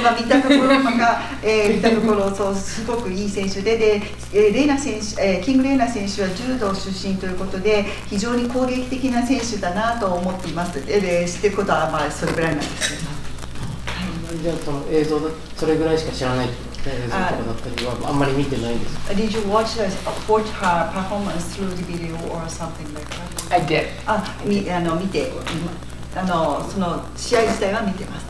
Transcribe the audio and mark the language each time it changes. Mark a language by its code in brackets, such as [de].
[ja] まあ、見たところとか、見たところそうすごくいい選手 でレイナ選手、キング・レイナ選手は柔道出身ということで非常に攻撃的な選手だなと思っています。で知ってることはまあそれぐらいなんですけど、じゃあその映像だそれぐらいしか知らないってこと、映像とかだったりはあんまり見てないんですか。 [en] Did you watch her performance through the video or something like that? I did. [ja] あの見て、あのその試合自体は見てます。